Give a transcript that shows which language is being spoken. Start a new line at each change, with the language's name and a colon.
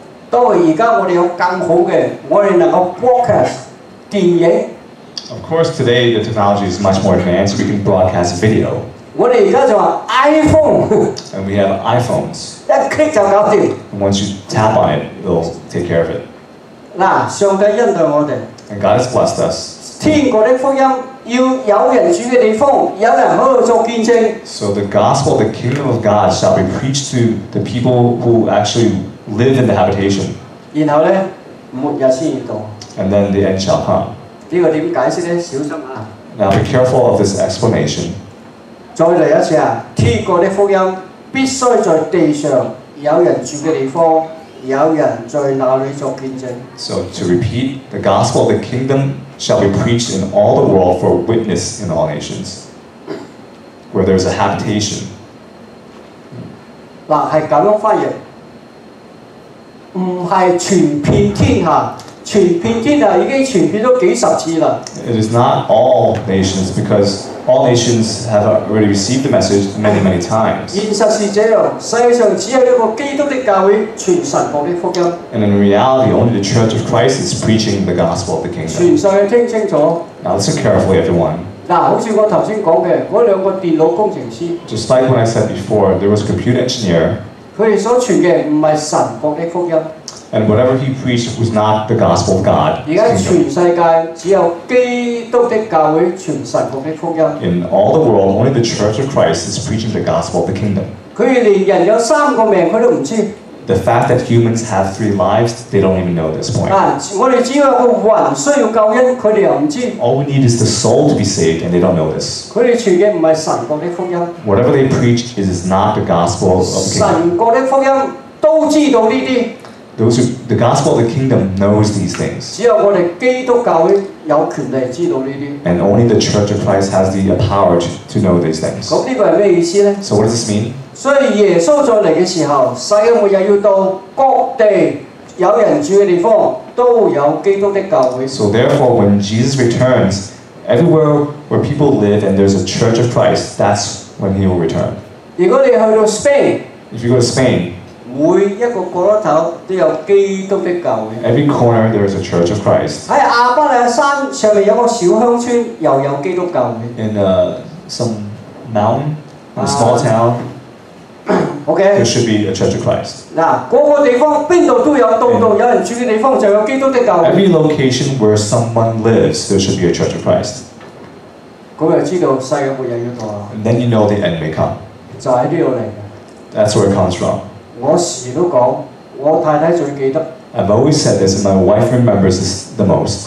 Cantonese: 到而家我哋有更好嘅，我哋能夠 broadcast 電影。
English: Of course, today the technology is much more advanced. We can broadcast video.
Cantonese: 我哋而家就話 iPhone。
English: And we have iPhones.
Cantonese: 一 click 就搞掂。
English: And once you tap on it, it'll take care of it.
Cantonese: 嗱，上帝恩待我哋。
English: And God has blessed us.
Cantonese: 天国的福音要有人住嘅地方，有人喺度做见证。
English: So the gospel, the kingdom of God, shall be preached to the people who actually live in the habitation.
Cantonese: 然后咧，末日先到。
English: And then the end shall come.
Cantonese: 呢个点解释咧？小心啊
English: ！Now be careful of this explanation.
Cantonese: 再嚟一次啊！天国的福音必须在地上有人住嘅地方。
English: So to repeat, the gospel of the kingdom shall be preached in all the world for witness in all nations, where there is a habitation.
Cantonese: 嗱，係咁樣翻譯，唔係全遍天下，全遍天下已經全遍咗幾十次啦。
English: It is not all nations, because all nations have already received the message many, many times.
Cantonese: 現實是這樣，世上只有一個基督的教會傳神國的福音。
English: And in reality, only the Church of Christ is preaching the gospel of the kingdom.
Cantonese: 全世界聽清楚。
English: Now listen carefully, everyone.
Cantonese: 嗱，好似我頭先講嘅嗰兩個電腦工程師。
English: Just like when I said before, there was a computer engineer.
Cantonese: 佢哋所傳嘅唔係神國的福音。
English: And whatever he preached was not the gospel of God.
Cantonese: 而家全世界只有基督的教会传神国的福音。
English: In all the world, only the Church of Christ is preaching the gospel of the kingdom.
Cantonese: 佢连人有三个命佢都唔知。
English: The fact that humans have three lives, they don't even know at this point.
Cantonese: 啊，我哋只有个魂需要救恩，佢哋又唔知。
English: All we need is the soul to be saved, and they don't know this.
Cantonese: 佢哋传嘅唔系神国的福音。
English: Whatever they preach is not the gospel of the kingdom.
Cantonese: 神国的福音都知道呢啲。
English: Those who, the gospel of the kingdom knows these things. And only the Church of Christ has the power to know these things. So what does this mean? So when Jesus comes, the end time So therefore, when Jesus returns, everywhere where people live and there's a Church of Christ, that's when he will return. If you go to Spain,
Cantonese: 每一個角落頭都有基督的教會。
English: Every corner there is a Church of Christ。
Cantonese: 喺亞伯拉山上面有個小鄉村，又有基督教會。
English: In some mountain, a small town, okay. There should be a Church of Christ。
Cantonese: 嗱，嗰個地方邊度都有，度度有人住嘅地方就有基督的教會。
English: Every location where someone lives, there should be a Church of Christ。
Cantonese: 咁就知道世界末日要到啦。
English: And then you know the end may come。
Cantonese: 就喺呢度嚟。
English: That's where it comes from。
Cantonese: 我時都講，我太太最記得。
English: I've always said this, and my wife remembers this the most.